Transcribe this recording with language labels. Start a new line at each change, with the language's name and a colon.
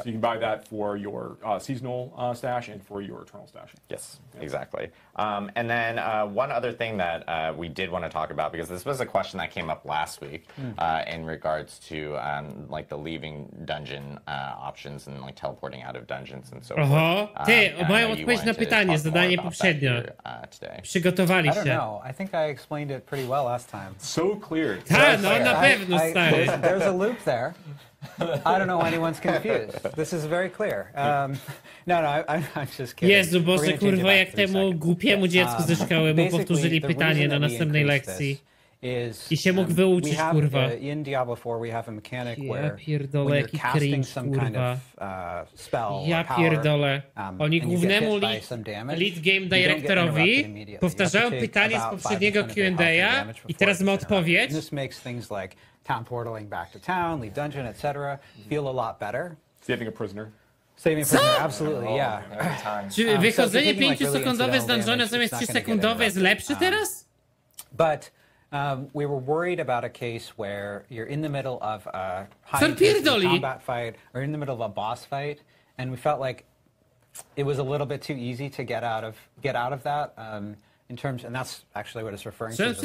English: So you can buy that for your seasonal stash and for your eternal stash. Yes, exactly. And then one other thing that we did want to talk about, because this was a question that came up last week in regards to the leaving dungeon options and teleporting out of dungeons and so forth.
Polish: Mają odpowiedź na pytanie, zadanie poprzednio. Przygotowali się.
English: I don't know. I think I explained it pretty well last time. So clear.
Polish: Na pewno, stary.
English: There's a loop there. I don't know why anyone's confused. This is very clear. I'm just kidding.
Polish: Jezu Boże, kurwa, jak temu głupiemu dziecku ze szkoły mu powtórzyli pytanie na następnej lekcji. I się mógł wyuczyć, kurwa.
English: In Diablo 4 we have a mechanic where
Polish: pierdolę,
English: when you're casting some kind of spell or power,
Polish: oni głównemu lead game directorowi powtarzają pytanie z poprzedniego Q&A i teraz ma odpowiedź.
English: This makes things like town portaling back to town, leave dungeon, etc. feel a lot better. Saving a prisoner. Saving a prisoner, absolutely, yeah.
Polish: Czy wychodzenie 5-sekundowe z dungeona zamiast 3-sekundowe jest lepsze teraz?
English: But we were worried about a case where you're in the middle of a combat fight or in the middle of a boss fight, and we felt like it was a little bit too easy to get out of that in terms, and that's actually what it's referring to.